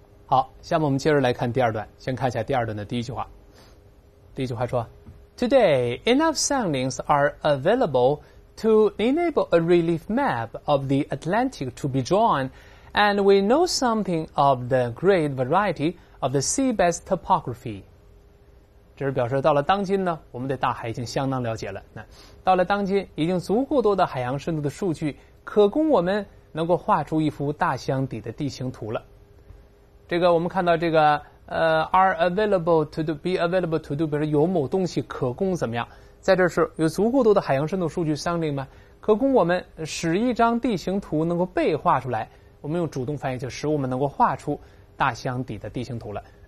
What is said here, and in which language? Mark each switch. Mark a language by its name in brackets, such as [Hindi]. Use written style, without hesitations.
[Chinese] 好，下面我们接着来看第二段，先看一下第二段的第一句话。第一句话说 [English] ,Today, enough soundings are available to enable a relief map of the Atlantic to be drawn, and we know something of the great variety of the seabed's topography. [Chinese] 这是表示到了当今呢，我们对大海已经相当了解了。那到了当今，已经足够多的海洋深度的数据可供我们能够画出一幅大西洋底的地形图了。这个我们看到这个 [English] are available to do, be available to do, [Chinese] 比如说有某东西可供怎么样，在这是有足够多的海洋深度数据 sounding 吗，可供我们使一张地形图能够被画出来，我们用主动翻译就使我们能够画出大西洋底的地形图了。